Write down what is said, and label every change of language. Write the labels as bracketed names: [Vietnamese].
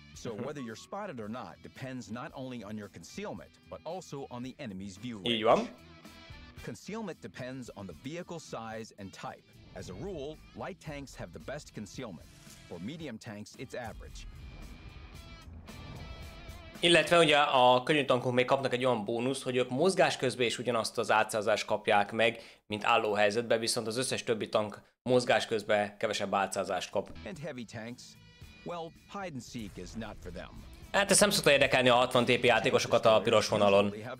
[English] So whether you're spotted or not depends not only on your concealment, but also on the enemy's view range. Concealment depends on the vehicle size and type. As a rule, light tanks have the best concealment. For medium tanks, it's average. [Hungarian] Illetve ugye a könnyű tankok még kapnak egy olyan bónusz, hogy ők mozgás közben is ugyanazt az átszázást kapják meg, mint álló helyzetben, viszont az összes többi tank mozgás közben kevesebb átszázást kap. [English] And heavy tanks? Well, hide and seek is not for them. [Hungarian] Hát ez nem szokta érdekelni a 60 TP játékosokat a piros vonalon.